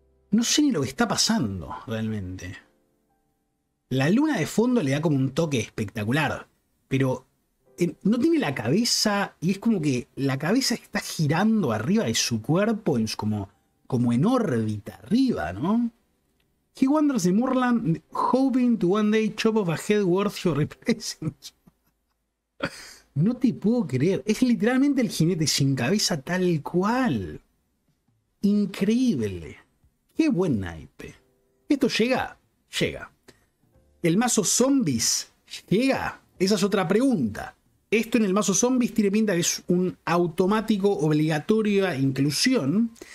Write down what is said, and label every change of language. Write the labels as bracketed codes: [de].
[es] No sé ni lo que está pasando realmente. La luna de fondo le da como un toque espectacular. Pero no tiene la cabeza y es como que la cabeza está girando arriba de su cuerpo en su, como en órbita arriba, ¿no? [en] He wanders the moorland, hoping to one day chop off a head worth your replacement. [es] No te puedo creer. Es literalmente el jinete sin cabeza tal cual. Increíble. Qué buen naipe. Esto llega. Llega. ¿El mazo zombies llega? Esa es otra pregunta. Esto en el mazo zombies tiene pinta que es un automático, obligatoria inclusión.